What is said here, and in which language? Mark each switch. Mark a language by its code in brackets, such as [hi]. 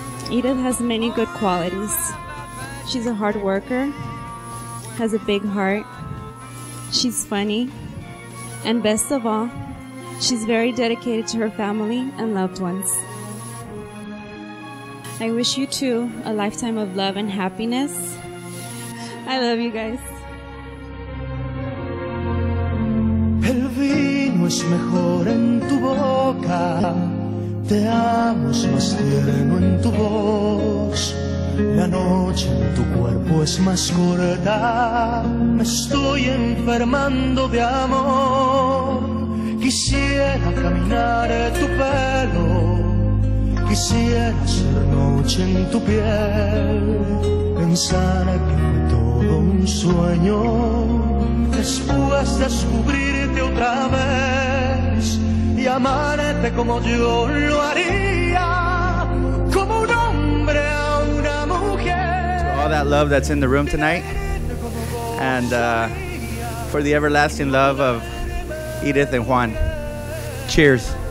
[en] Edith has many good qualities. She's a hard worker, has a big heart, she's funny, and best of all, she's very dedicated to her family and loved ones. I wish you two a lifetime of love and happiness. I love you guys. [es] El vino es mejor en tu boca. Te amo, es más tierno en tu voz. La noche en tu cuerpo es más corta. Me estoy enfermando de amor. Quisiera caminar tu pelo. Quisiera ser noche en tu piel. Pensar que un sueño, después descubrirte otra vez y amarte como yo lo haría, como un hombre a una mujer. [en] To all that love that's in the room tonight, and for the everlasting love of Edith and Juan, cheers.